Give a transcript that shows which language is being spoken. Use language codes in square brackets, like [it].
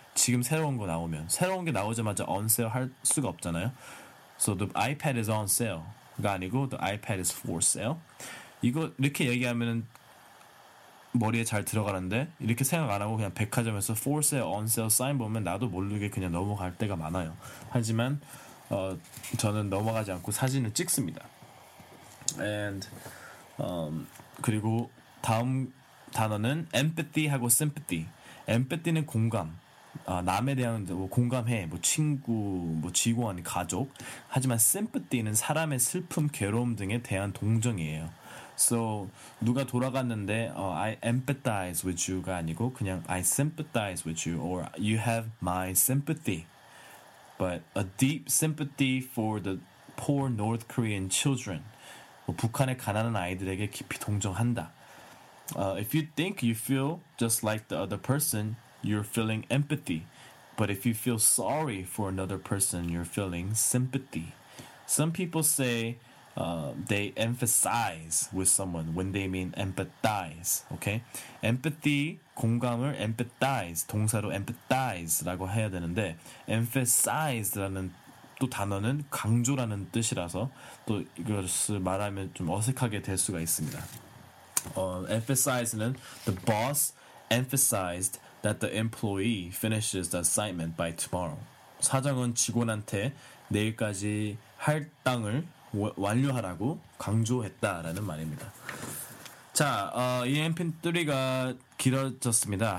[ko] 지금 새로운 거 나오면 새로운 게 나오자마자 on sale 할 수가 없잖아요. [en] So the iPad is on sale가 아니고 the iPad is for sale. [ko] 이거 이렇게 얘기하면은 머리에 잘 들어가는데 이렇게 생각 안 하고 그냥 백화점에서 for sale, on sale 사인 보면 나도 모르게 그냥 넘어갈 때가 많아요. 하지만 저는 넘어가지 않고 사진을 찍습니다. And 그리고 다음 단어는 empathy 하고 sympathy. empathy는 공감. 남에 대한 뭐 공감해. 뭐 친구, 뭐 직원, 가족. 하지만 sympathy는 사람의 슬픔, 괴로움 등에 대한 동정이에요. [en] So [ko] 누가 돌아갔는데 [en] I empathize with you가 아니고 그냥 I sympathize with you or you have my sympathy. But a deep sympathy for the poor North Korean children. [ko] 뭐 북한의 가난한 아이들에게 깊이 동정한다. [en] If you think you feel just like the other person, you're feeling empathy. But if you feel sorry for another person, you're feeling sympathy. Some people say they emphasize with someone when they mean empathize. [ko] Okay? Empathy, 공감을 empathize, 동사로 empathize라고 해야 되는데 emphasize라는 또 단어는 강조라는 뜻이라서 또 이것을 말하면 좀 어색하게 될 수가 있습니다. [en] Emphasize는 the boss emphasized that the employee finishes the assignment by tomorrow. [ko] 사장은 직원한테 내일까지 할당을 완료하라고 강조했다라는 말입니다. 자, EMP3가 길어졌습니다.